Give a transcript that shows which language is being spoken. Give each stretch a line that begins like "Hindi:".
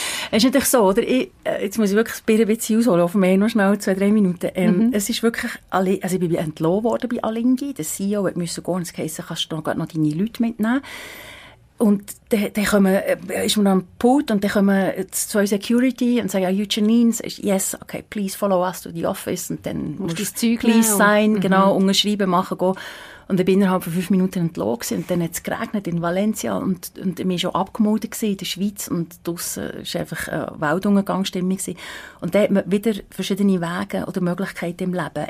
German: Es ist natürlich so, oder? Jetzt muss ich wirklich ein bisschen ausholen, auf mehr noch schnell 2-3 Minuten. Es ist wirklich, also ich bin entlohnt worden bei Alinghi, der CEO hat müssen gehen und es geheißen, kannst du noch deine Leute mitnehmen. Und dann ist man am Pult und dann kommen zwei Security und sagen,
English: are you Janine? Yes, okay, please follow us to the office.
German: Und dann musst du please sein, genau, unterschreiben, machen, gehen. Und ich bin innerhalb von 5 Minuten entlohnt gewesen. Und dann hat es geregnet in Valencia und ich war schon abgemeldet gewesen in der Schweiz. Und draussen war einfach eine Weltuntergangsstimmung gewesen. Und dann hat man wieder verschiedene Wege oder Möglichkeiten im Leben.